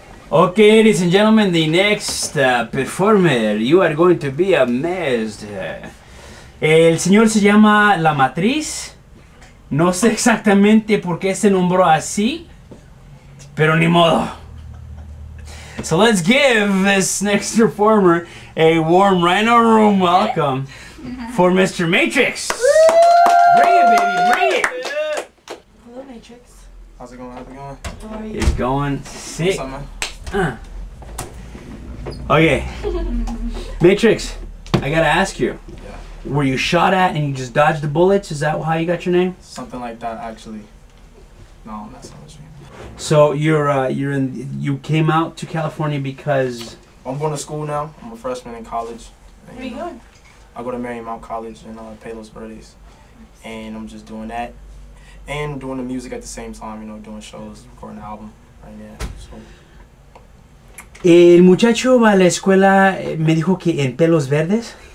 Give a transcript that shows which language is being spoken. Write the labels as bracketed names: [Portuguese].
[English] Okay, ladies and gentlemen, the next performer, you are going to be amazed. [Spanish] El señor se llama La Matriz. No sé exactamente por qué se nombró así, pero ni modo. [English] So let's give this next performer a warm Rhino Room welcome for Mr. Matrix. Bring it, baby, bring it. Hello, Matrix. How's it going? How are you? It's going sick. What's up, man? Okay, Matrix, I gotta ask you, were you shot at and you just dodged the bullets? Is that how you got your name? Something like that, actually. No, that's not what you mean. So you came out to California because? I'm going to school now. I'm a freshman in college. Where are you going? I go to Marymount College in Palos Verdes, and I'm just doing that and doing the music at the same time, doing shows, recording an album right now. So. [Spanish] El muchacho va a la escuela, me dijo que en Pelos Verdes.